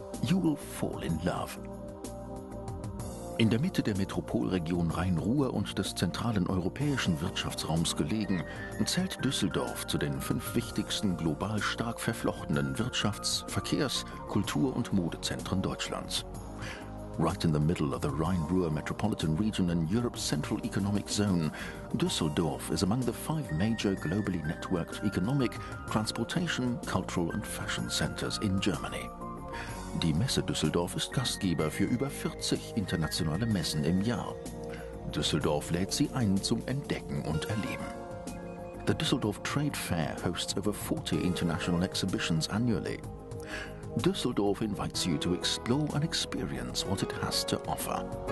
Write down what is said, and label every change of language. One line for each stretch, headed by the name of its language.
English: You will fall in love.
German: In der Mitte der Metropolregion Rhein-Ruhr und des zentralen europäischen Wirtschaftsraums gelegen, zählt Düsseldorf zu den 5 wichtigsten global stark verflochtenen Wirtschafts-, Verkehrs-, Kultur- und Modezentren Deutschlands.
English: Right in the middle of the Rhine-Ruhr Metropolitan Region in Europe's Central Economic Zone, Düsseldorf is among the 5 major globally networked economic, transportation, cultural and fashion centers in Germany.
German: Die Messe Düsseldorf ist Gastgeber für über 40 internationale Messen im Jahr. Düsseldorf lädt Sie ein zum Entdecken und Erleben.
English: The Düsseldorf Trade Fair hosts over 40 international exhibitions annually. Düsseldorf invites you to explore and experience what it has to offer.